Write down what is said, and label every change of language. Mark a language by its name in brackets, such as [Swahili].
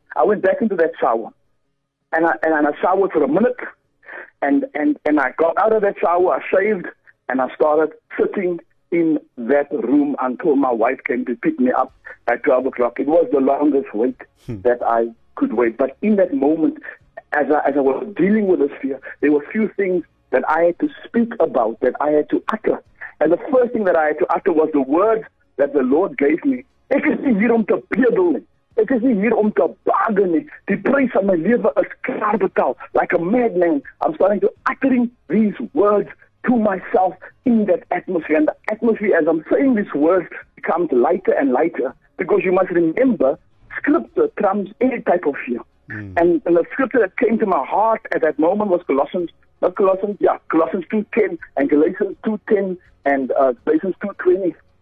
[English] I went back into that shower, and I showered for a minute, and I got out of that shower, I shaved, and I started sitting in that room until my wife came to pick me up at 12 o'clock. It was the longest wait that I could wait. But in that moment, as I was dealing with this fear, there were a few things that I had to speak about, that I had to utter. And the first thing that I had to utter was the word that the Lord gave me. [Afrikaans] Ek is nie hier om te bedel nie. Ek is nie hier om te bargain nie. Die prys van my lewe is klaar betaal. [English] Like a madman, I'm starting to uttering these words to myself in that atmosphere. And the atmosphere, as I'm saying these words, becomes lighter and lighter. Because you must remember, scripture trumps any type of fear. Mm. And the scripture that came to my heart at that moment was Colossians 2:10 and Galatians 2:10 and Galatians 2:20.